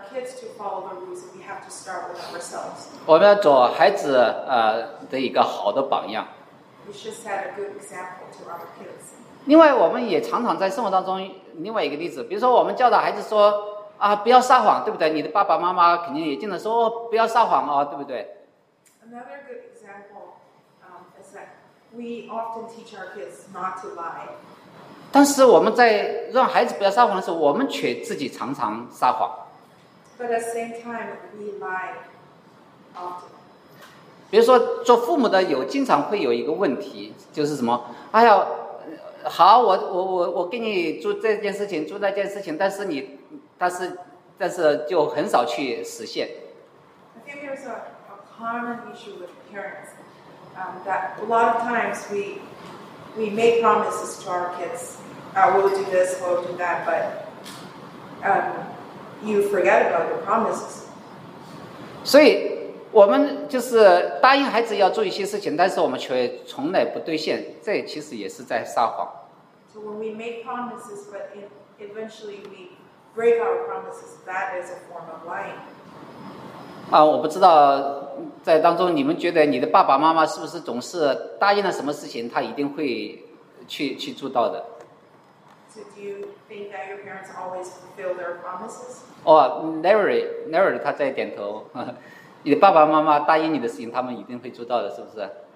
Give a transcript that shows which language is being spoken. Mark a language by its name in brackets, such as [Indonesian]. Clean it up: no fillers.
[English] So if we want our kids to follow the rules, we have to start with ourselves. [Chinese] 我们要做孩子的一个好的榜样。 [English] We should set a good example to our kids. [Chinese] 另外，我们也常常在生活当中另外一个例子，比如说我们教导孩子说啊，不要撒谎，对不对？你的爸爸妈妈肯定也经常说、哦、不要撒谎啊、哦，对不对 [English] ？Another good example is that we often teach our kids not to lie. [Chinese] 但是我们在让孩子不要撒谎的时候，我们却自己常常撒谎。 [English] But at the same time, we lie often. [Chinese] 比如说，做父母的有经常会有一个问题，就是什么？哎呀，好，我给你做这件事情，做那件事情，但是就很少去实现。 [English] I think there's a common issue with parents, that a lot of times we make promises to our kids. We'll do this, we'll do that, but you forget about your promises. [Chinese] 所以我们就是答应孩子要做一些事情，但是我们却从来不兑现，这其实也是在撒谎。 [English] So when we make promises, but eventually we break our promises, that is a form of lying. [Chinese] 我不知道在当中你们觉得你的爸爸妈妈是不是总是答应了什么事情他一定会去做到的。 [English] So do you think that your parents always fulfill their promises? [Chinese] Larry 他在点头。你的爸爸妈妈答应你的事情他们一定会做到的，是不是？